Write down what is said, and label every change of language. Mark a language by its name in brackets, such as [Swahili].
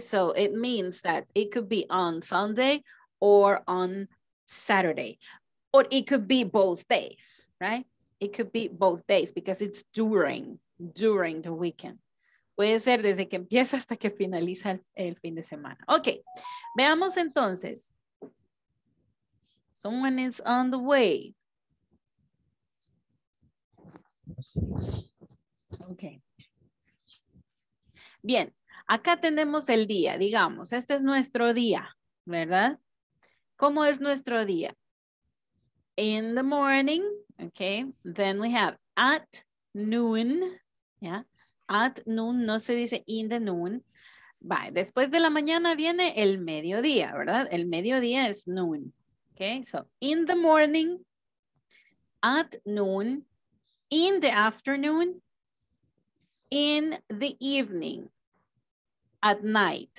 [English] So it means that it could be on Sunday or on Saturday, or it could be both days, right? It could be both days because it's during the weekend. [Spanish] Puede ser desde que empieza hasta que finaliza el fin de semana. [English] Okay, [Spanish] veamos entonces. [English] Someone is on the way. [Spanish] Okay. Bien, acá tenemos el día, digamos. Este es nuestro día, ¿verdad? ¿Cómo es nuestro día? [English] In the morning, okay. Then we have at noon, yeah. At noon, [Spanish] no se dice [English] in the noon. Bye. [Spanish] Después de la mañana viene el mediodía, ¿verdad? El mediodía es noon. [English] Okay, so in the morning, at noon, in the afternoon, in the evening, at night.